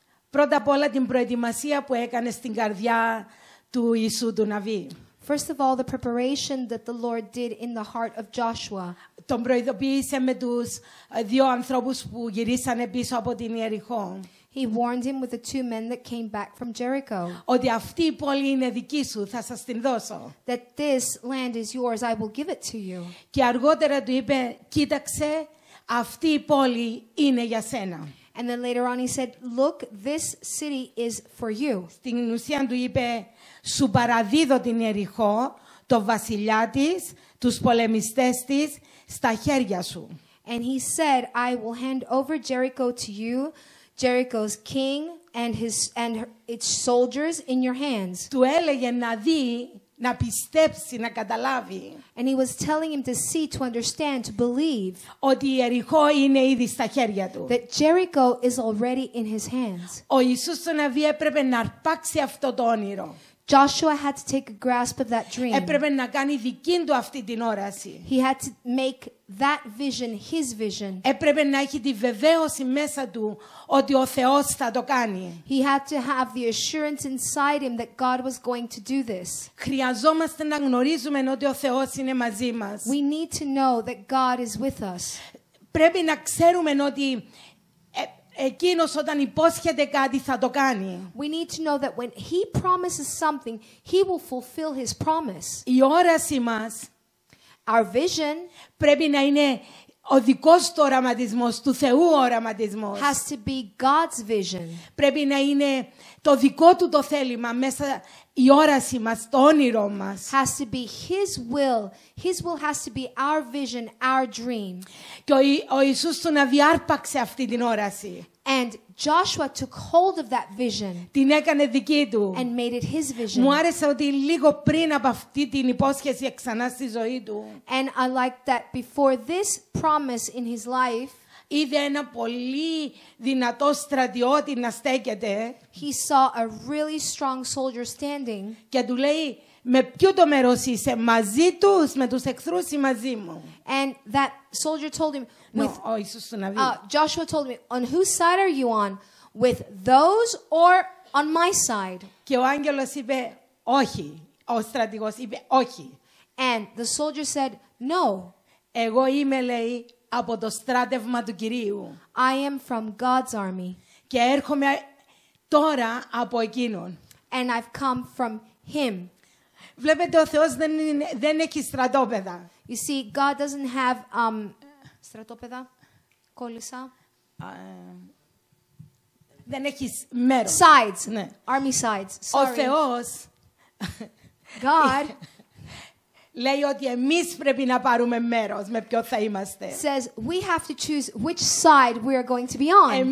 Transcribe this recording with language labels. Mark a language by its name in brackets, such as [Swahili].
[Greek] Πρώτα απ' όλα την προετοιμασία που έκανε στην καρδιά του Ιησού του Ναβί. [English] First of all, the preparation that the Lord did in the heart of Joshua. [Greek] Τον προειδοποίησε με τους δύο ανθρώπους που γυρίσανε πίσω από την Ιεριχώ. [English] He warned him with the two men that came back from Jericho. [Greek] Ότι αυτή η πόλη είναι δική σου, θα σας την δώσω. [English] That this land is yours, I will give it to you. [Greek] Και αργότερα του είπε, κοίταξε, αυτή η πόλη είναι για σένα. [English] And then later on he said, look, this city is for you. [Greek] Στην ουσία του είπε, σου παραδίδω την Ιεριχώ, το βασιλιά της, τους πολεμιστές της, στα χέρια σου. [English] And he said, I will hand over Jericho to you, Jericho's king and its soldiers in your hands. [Greek] Του έλεγε να δει να πιστέψει, να καταλάβει. [English] And he was telling him to see, to understand, to believe. [Greek] Ότι η Ιεριχώ είναι ήδη στα χέρια του. [English] That Jericho is already in his hands. [Greek] Ο Ιησούς τον Ναβί έπρεπε να αρπάξει αυτό το όνειρο. [English] Joshua had to take a grasp of that dream. [Greek] Έπρεπε να κάνει δική του αυτή την όραση. [English] He had to make that vision his vision. [Greek] Έπρεπε να έχει τη βεβαίωση μέσα του ότι ο Θεός θα το κάνει. [English] He had to have the assurance inside him that God was going to do this. [Greek] Χρειαζόμαστε να γνωρίζουμε ότι ο Θεός είναι μαζί μας. [English] We need to know that God is with us. [Greek] Πρέπει να ξέρουμε ότι Εκείνος όταν υπόσχεται κάτι θα το κάνει. [English] We need to know that when he promises something, he will fulfill his promise. [Greek] Η όρασή μας, [English] our vision, [Greek] πρέπει να είναι ο δικός του οραματισμός, του Θεού οραματισμός. [English] Has to be God's vision. [Greek] Πρέπει να είναι το δικό του το θέλημα μέσα η όρασή μας, το όνειρό μας. [English] Has to be his will. His will has to be our vision, our dream. [Greek] Και ο Ιησούς τον αδιάρπαξε αυτή την όραση. [English] And Joshua took hold of that vision. [Greek] Την έκανε δική του. [English] And made it his vision. [Greek] Μου άρεσε ότι λίγο πριν από αυτή την υπόσχεση ξανά στη ζωή του. [English] And I liked that before this promise in his life. [Greek] Είδε ένα πολύ δυνατό στρατιώτη να στέκεται. [English] He saw a really strong soldier standing. [Greek] Και του λέει, με ποιο το μέρος είσαι, μαζί τους, με τους εχθρούς ή μαζί μου. [English] And that soldier told him, with, no, [Greek] oh, Ιησούς του Ναβί. [English] Joshua told him, on whose side are you on, with those or on my side? [Greek] Και ο άγγελος είπε, όχι. Ο στρατηγός είπε, όχι. [English] And the soldier said, no. [Greek] Εγώ είμαι, λέει, από το στράτευμα του Κυρίου. [English] I am from God's army. [Greek] Και έρχομαι τώρα από εκείνον. [English] And I've come from him. [Greek] Βλέπετε, ο Θεός δεν έχει στρατόπεδα. [English] You see, God doesn't have [Greek] στρατόπεδα. Κόλλησα. Δεν έχει μέρος. [English] Sides. [Greek] Ναι. [English] Army sides. Sorry. [Greek] Ο Θεός. [English] God. [Greek] Λέει ότι εμείς πρέπει να πάρουμε μέρος με ποιο θα είμαστε. [English] Says we have to choose which side we are going to be on.